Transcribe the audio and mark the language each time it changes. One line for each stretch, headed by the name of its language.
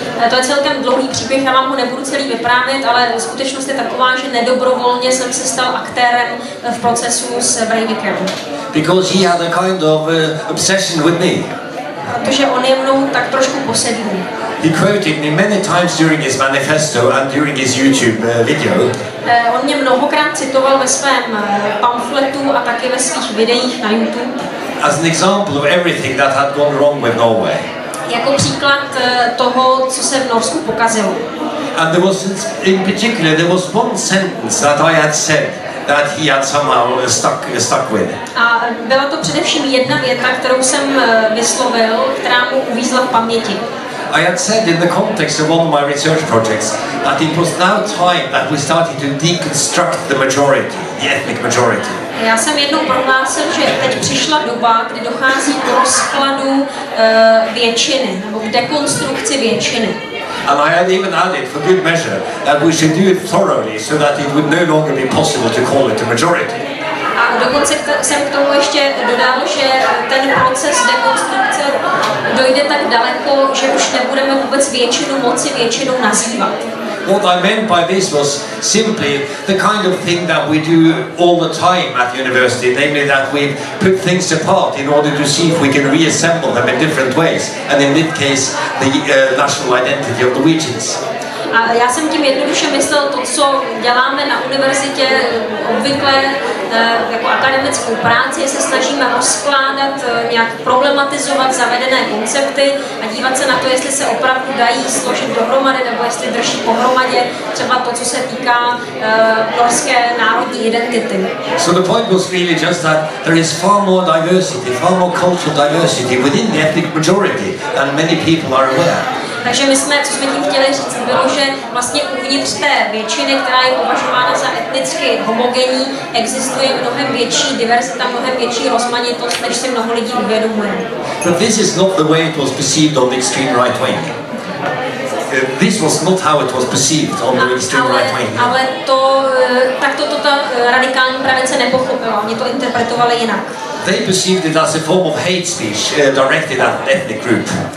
Czech: To je celkem dlouhý příběh, já vám ho nebudu celý vyprávět, ale skutečnost je taková, že nedobrovolně jsem se stal aktérem v procesu s Breivikem.
English: Because he had a kind of obsession with me.
Czech: Protože on je mnou tak trošku posedlý.
English: He quoted me many times during his manifesto and during his YouTube video.
Czech: On mě mnohokrát citoval ve svém pamfletu a taky ve svých videích na YouTube.
English: As an example of everything that had gone wrong with Norway.
Czech: Jako příklad toho, co se v Norsku pokazilo.
English: And there was, in particular, there was one sentence that I had said that he had somehow stuck with.
Czech: A byla to především jedna věta, kterou jsem vyslovil, která mu uvízla v paměti.
English: I had said in the context of one of my research projects that it was now time that we started to deconstruct the majority, the ethnic majority.
Czech: Já jsem jednou prohlásil, že teď přišla doba, kdy dochází k rozkladu většiny, nebo k dekonstrukci většiny.
English: And I had even added for good measure that we should do it thoroughly so that it would no longer be possible to call it a majority.
Czech: A dokonce jsem k tomu ještě dodal, že ten proces dekonstrukce dojde tak daleko, že už nebudeme vůbec většinu moci většinou nazývat.
English: What I meant by this was simply the kind of thing that we do all the time at university, namely that we put things apart in order to see if we can reassemble them in different ways, and in this case, the national identity of the Norwegians.
Czech: A já jsem tím jednoduše myslel to, co děláme na univerzitě obvykle jako akademickou práci, se snažíme rozkládat, nějak problematizovat zavedené koncepty a dívat se na to, jestli se opravdu dají složit dohromady nebo jestli drží pohromadě třeba to, co se týká norské národní identity.
English: So the point was really just that there is far more diversity, far more cultural diversity within the ethnic majority than many people are aware.
Czech: Takže my jsme, co jsme tím chtěli říct, bylo, že vlastně uvnitř té většiny, která je považována za etnicky homogenní, existuje mnohem větší diverzita, mnohem větší rozmanitost, než si mnoho lidí uvědomuje.
English: But this is not the way it was perceived on the extreme right wing. This was not how it was perceived on the extreme right wing.
Czech: Ale to, tak to ta radikální pravice nepochopila, oni to interpretovali jinak.
English: They perceived it as a form of hate speech directed at an ethnic group.